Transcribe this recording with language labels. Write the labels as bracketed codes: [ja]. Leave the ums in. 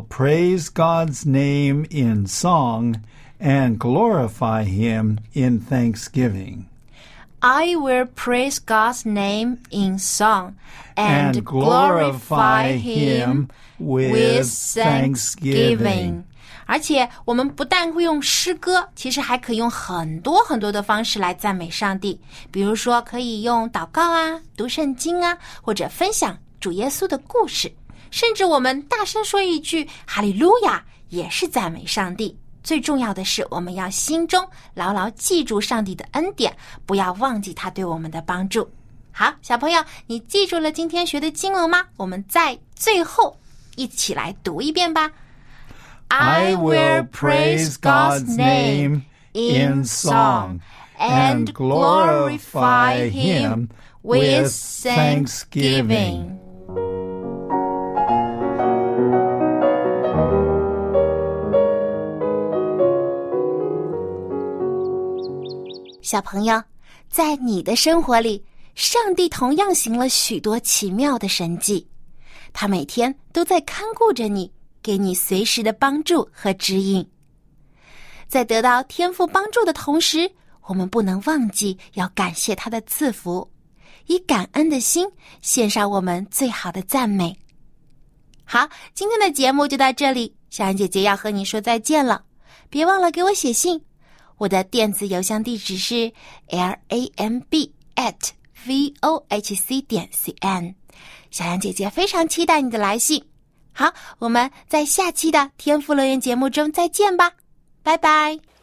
[en] praise God's name in song and glorify him in thanksgiving. I will praise God's name in song and, and glorify glor Him with, with thanksgiving. [zh] 而且，我们不但会用诗歌，其实还可以用很多很多的方式来赞美上帝。比如说，可以用祷告啊、读圣经啊，或者分享主耶稣的故事，甚至我们大声说一句“哈利路亚”也是赞美上帝。最重要的是，我们要心中牢牢记住上帝的恩典，不要忘记他对我们的帮助。好，小朋友，你记住了今天学的经文吗？我们在最后一起来读一遍吧。 [en] I will praise God's name in song and glorify Him with thanksgiving. [zh] 小朋友，在你的生活里，上帝同样行了许多奇妙的神迹，他每天都在看顾着你，给你随时的帮助和指引。在得到天赋帮助的同时，我们不能忘记要感谢他的赐福，以感恩的心献上我们最好的赞美。好，今天的节目就到这里，小安姐姐要和你说再见了，别忘了给我写信。我的电子邮箱地址是 l a m b at v o h c 点 c n。小杨姐姐非常期待你的来信。好，我们在下期的天赋乐园节目中再见吧，拜拜。